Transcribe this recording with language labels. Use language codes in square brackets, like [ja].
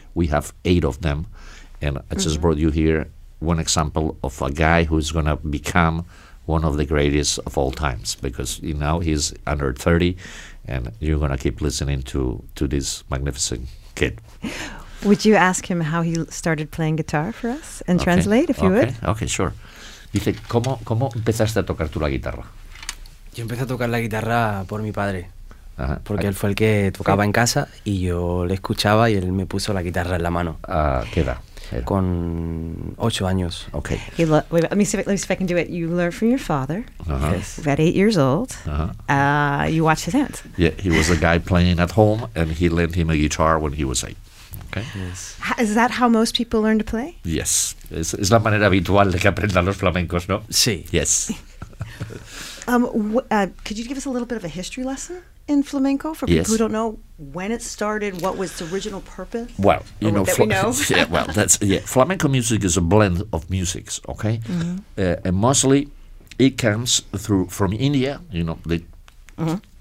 [en] We have 8 of them, and I just mm-hmm. brought you here one example of a guy who is gonna become one of the greatest of all times because you know he's under 30, and you're gonna keep listening to this magnificent kid. Would you ask him how he started playing guitar for us and okay. translate, if you okay. would? Okay, sure. [es] Dice, ¿cómo empezaste a tocar tú la guitarra? Yo empecé a tocar la guitarra por mi padre, uh-huh. porque él fue el que tocaba sí. en casa y yo le escuchaba y él me puso la guitarra en la mano. ¿Qué edad? Con 8 años. [en] Okay. Let me see if I can do it. You learned from your father. Uh-huh. At 8 years old. Uh-huh. You watched his hands. Yeah, he was a guy playing at home and he lent him a guitar when he was 8. Okay. Yes. Is that how most people learn to play? Yes. [es] Es la manera habitual de que aprendan los flamencos, ¿no? Sí. [en] Yes. Could you give us a little bit of a history lesson in flamenco for people yes. who don't know when it started, what was its original purpose? Well, you know, flamenco music is a blend of musics, okay? Mm-hmm. And mostly it comes through from India, you know, they mm-hmm.